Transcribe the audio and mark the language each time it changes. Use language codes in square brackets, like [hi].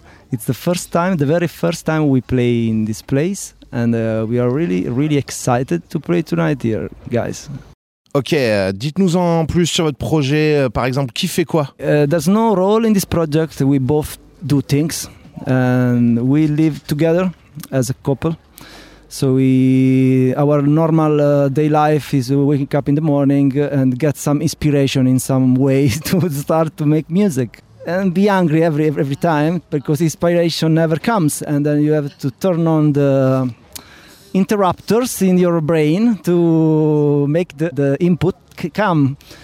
[en] It's the first time, the very first time we play in this place. And we are really, really excited to play tonight here, guys. [fr] Ok, dites-nous en plus sur votre projet, par exemple, qui fait quoi? [en] There's no role in this project, we both do things, and we live together as a couple, so our normal day life is waking up in the morning and get some inspiration in some way to start to make music, and be angry every time, because inspiration never comes, and then you have to turn on the interrupters in your brain to make the input come.